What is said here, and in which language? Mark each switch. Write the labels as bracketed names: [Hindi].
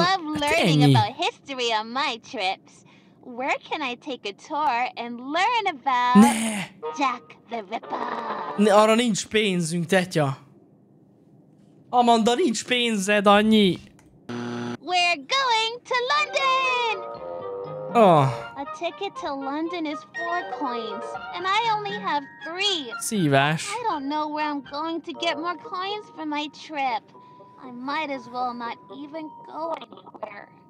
[English] I love learning about history on my trips. Where can I take a tour and learn about [Hungarian] ne. [English] Jack the Ripper? [Hungarian] Ne, arra nincs pénzünk, tetya. Amanda, nincs pénzed annyi. [English] We're going to London! Oh. A ticket to London is 4 coins, and I only have 3. [Hungarian] Szívás. [English] I don't know where I'm going to get more coins for my trip. I might as well not even go anywhere.